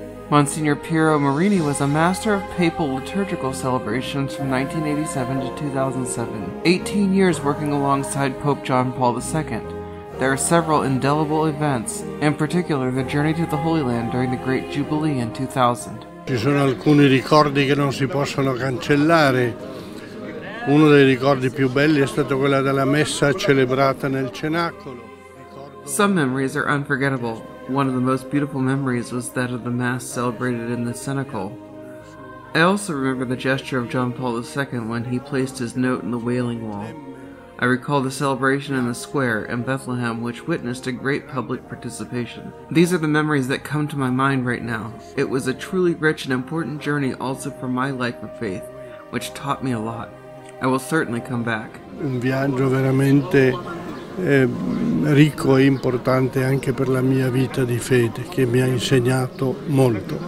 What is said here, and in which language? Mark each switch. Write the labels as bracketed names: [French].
[English] Monsignor Piero Marini was a master of papal liturgical celebrations from 1987 to 2007, 18 years working alongside Pope John Paul II. There are several indelible events, in particular the journey to the Holy Land during the Great Jubilee in 2000. [Italian] Ci sono alcuni ricordi che non si possono cancellare. Uno dei ricordi più belli è stato quella della messa celebrata nel cenacolo. [English] Some memories are unforgettable. One of the most beautiful memories was that of the Mass celebrated in the cenacle. I also remember the gesture of John Paul II when he placed his note in the Wailing Wall. I recall the celebration in the square in Bethlehem, which witnessed a great public participation. These are the memories that come to my mind right now. It was a truly rich and important journey also for my life of faith, which taught me a lot. I will certainly come back. [Italian] Un viaggio veramente ricco e importante anche per la mia vita di fede, che mi ha insegnato molto.